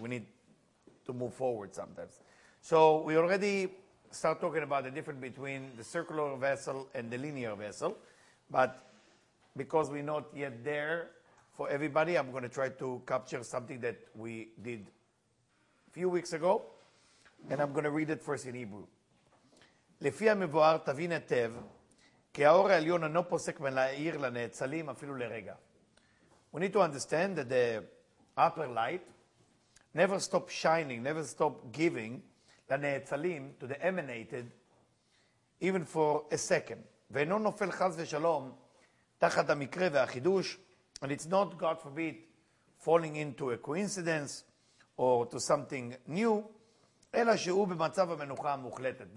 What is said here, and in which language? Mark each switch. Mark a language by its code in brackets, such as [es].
[en] We need to move forward sometimes. So we already start talking about the difference between the circular vessel and the linear vessel. But because we're not yet there for everybody, I'm going to try to capture something that we did a few weeks ago. And I'm going to read it first in Hebrew. [he] לפי המבואר תבין היטב כי האור העליון אינו פוסק מלהאיר לנאצלים אפילו לרגע. [en] We need to understand that the upper light never stops shining, never stops giving לנאצלים, to the emanated, even for a second. [he] ואינו נופל חס ושלום תחת המקרה והחידוש, [en] and it's not, God forbid, falling into a coincidence or to something new, [he] אלא שהוא במצב המנוחה המוחלטת.